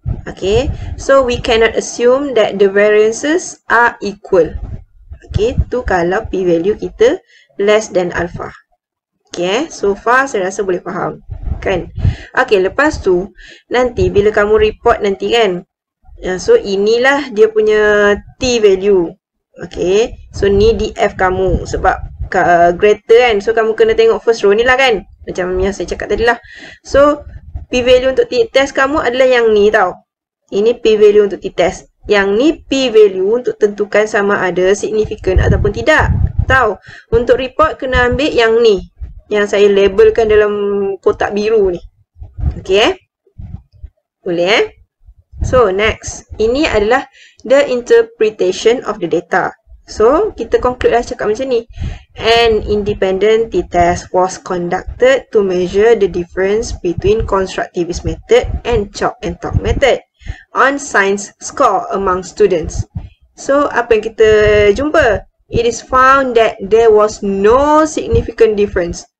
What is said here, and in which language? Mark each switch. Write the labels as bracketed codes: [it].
[en] Okay, so we cannot assume that the variances are equal. [ms] Okay, tu kalau p-value kita [en] less than alpha. [ms] Okay, so far saya rasa boleh faham, kan? Okay, lepas tu, nanti bila kamu report nanti kan, so inilah dia punya t-value. Okay, so ni df kamu sebab greater kan, so kamu kena tengok first row ni lah kan? Macam yang saya cakap tadi lah. So, p-value untuk t-test kamu adalah yang ni tau. Ini p-value untuk t-test. Yang ni p-value untuk tentukan sama ada significant ataupun tidak. Tahu? Untuk report kena ambil yang ni. Yang saya labelkan dalam kotak biru ni. Okay eh? Boleh eh? So next. Ini adalah [en] the interpretation of the data. [ms] So kita conclude lah cakap macam ni. [en] An independent t-test was conducted to measure the difference between constructivist method and chalk and talk method on science score among students. So, [ms] apa yang kita jumpa? [en] It is found that there was no significant difference.